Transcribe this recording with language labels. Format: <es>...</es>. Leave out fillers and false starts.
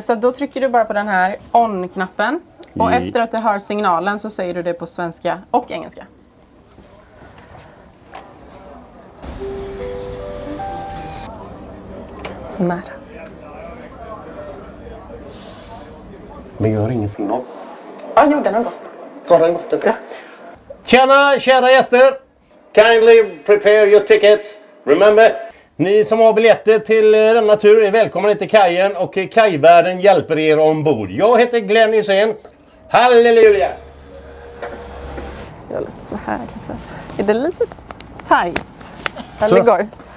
<sv>Så då trycker du bara på den här on-knappen. Och efter att du hör signalen så säger du det på svenska och engelska. Så nära. Men jag har ingen signal. Ja, jo, den har gått. Har den gått upp? Ja. Tjena, kära gäster.</sv> <en>Kindly prepare your ticket. Remember.</en> <sv>Ni som har biljetter till denna tur är välkomna till kajen och kajvärden hjälper er ombord. Jag heter Glenn Hysén. Halleluja! Jag lite så här kanske. Är det lite tajt? Eller det går?</sv>